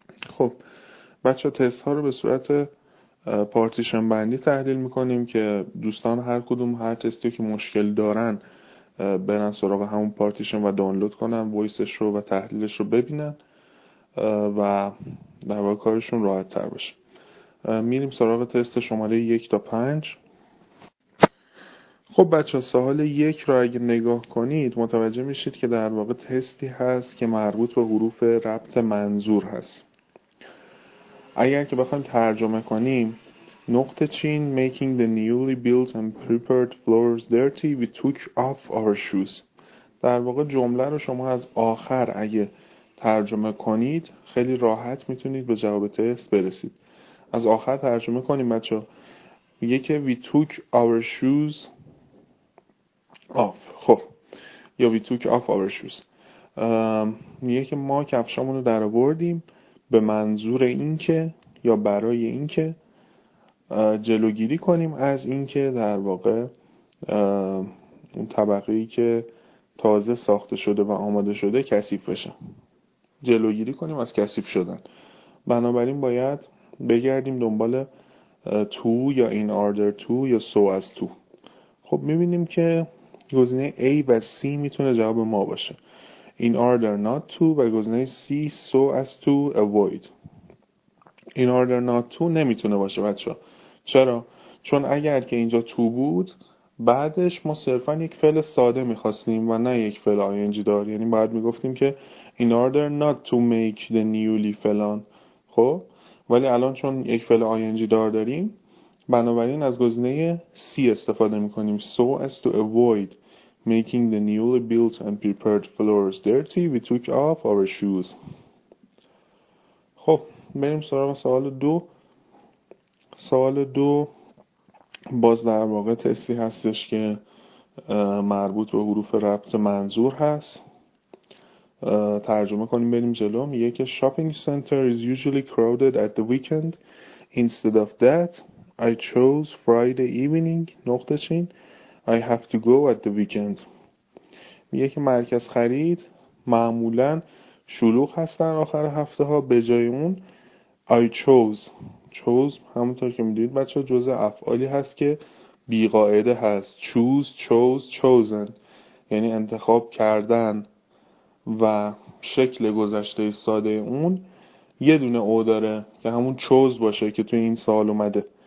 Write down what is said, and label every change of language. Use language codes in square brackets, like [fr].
[fa] خب بچه، تست ها رو به صورت پارتیشن بندی تحلیل میکنیم که دوستان هر کدوم هر تستی که مشکل دارن برن سراغ همون پارتیشن و دانلود کنن، ویسش رو و تحلیلش رو ببینن و در واقع کارشون راحت تر باشه. میریم سراغ تست شماره 1 تا 5. خب بچه، سوال 1 رو اگه نگاه کنید متوجه میشید که در واقع تستی هست که مربوط به حروف ربط منظور هست. اگر که بخوایم ترجمه کنیم، نقطه چین [en] making the newly built and prepared floors dirty we took off our shoes. [fa] در واقع جمله رو شما از آخر اگه ترجمه کنید خیلی راحت میتونید به جواب تست برسید. از آخر ترجمه کنیم بچه، میگه که [en] we took our shoes off. [fa] خب یا [en] we took off our shoes، [fa] میگه که ما کفشامونو در آوردیم به منظور اینکه یا برای اینکه جلوگیری کنیم از اینکه در واقع اون طبقه‌ای که تازه ساخته شده و آماده شده کثیف بشه، جلوگیری کنیم از کثیف شدن. بنابراین باید بگردیم دنبال تو یا این آردر تو یا سو از تو. خب می‌بینیم که گزینه A و C میتونه جواب ما باشه، [en] in order not to [fa] و گزینه C [en] so as to avoid. in order not to [fa] نمیتونه باشه بچه. چرا؟ چون اگر که اینجا to بود بعدش ما صرفا یک فعل ساده میخواستیم و نه یک فعل ing دار، یعنی باید میگفتیم که [en] in order not to make the newly [fa] فلان. خب ولی الان چون یک فعل ing دار داریم، بنابراین از گزینه C استفاده میکنیم، [en] so as to avoid making the newly built and prepared floors dirty we took off our shoes. [fa] خب بریم سراغ سوال 2. سوال 2 باز در واقع تستی هستش که مربوط به حروف ربط منظور هست. ترجمه کنیم بریم جلو، میگه که [en] shopping center is usually crowded at the weekend instead of that I chose Friday evening [fa] نقطه چین [en] I have to go at the weekend. [fa] میگه که مرکز خرید معمولا شلوغ هست در آخر هفته ها، به جای اون [en] I chose. [fa] chose همونطور که میدونید بچه ها جزء افعالی هست که بی قاعده هست، [en] choose chose chosen [fa] یعنی انتخاب کردن و شکل گذشته ساده اون یه دونه او داره که همون chose باشه که توی این سوال اومده.